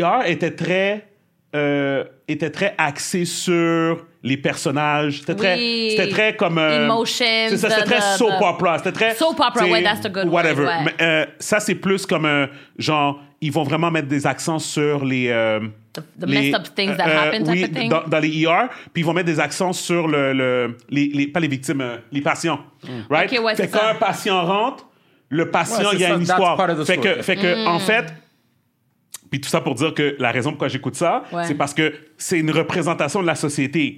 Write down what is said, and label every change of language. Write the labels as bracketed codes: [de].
[fr] ER était très axé sur les personnages. C'était très comme... [en] Emotions. [fr] C'était très soap opera. [en] Soap opera, that's a good whatever. Word, ouais. [fr] Mais, ça, c'est plus comme genre, ils vont vraiment mettre des accents sur les... [en] The messed up things that happen, type of thing. [fr] Dans les ER, puis ils vont mettre des accents sur les patients, right? [en] Okay, [fr] fait quand un patient rentre, le patient il y a une histoire. Fait que, en fait, puis tout ça pour dire que la raison pourquoi j'écoute ça, c'est parce que c'est une représentation de la société.